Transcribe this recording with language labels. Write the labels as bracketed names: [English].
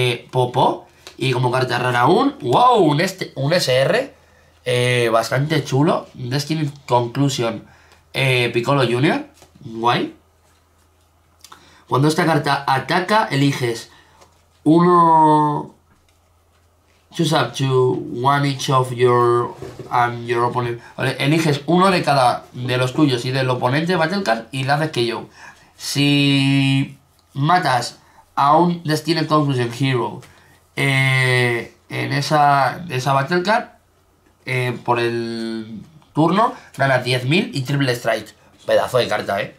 [Spanish] Popo, y como carta rara aún, ¡wow! Un SR bastante chulo. Destiny Conclusion, Piccolo Junior, guay. Cuando esta carta ataca, eliges uno. [English] Choose up to one each of your and your opponent. [Spanish] Vale, eliges uno de cada de los tuyos y del oponente Battle Card y le haces que yo. Si matas a un Destiny Conclusion Hero en esa Battle Card por el turno, ganas 10.000 y triple strike. Pedazo de carta, ¿eh?